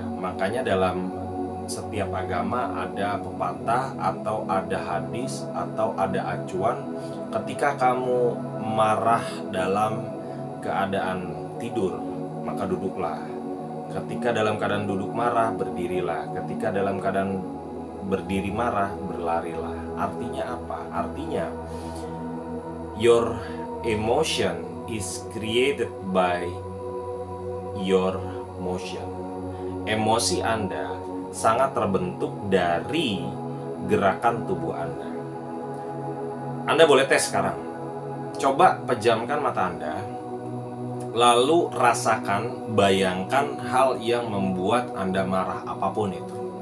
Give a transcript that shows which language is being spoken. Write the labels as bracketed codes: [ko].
[id] Makanya dalam setiap agama ada pepatah atau ada hadis atau ada acuan, ketika kamu marah dalam keadaan tidur, maka duduklah. Ketika dalam keadaan duduk marah, berdirilah. Ketika dalam keadaan berdiri marah, berlarilah. Artinya apa? Artinya [en] your emotion is created by your motion. [id] Emosi Anda sangat terbentuk dari gerakan tubuh Anda. Anda boleh tes sekarang. Coba pejamkan mata Anda, lalu rasakan, bayangkan hal yang membuat Anda marah, apapun itu.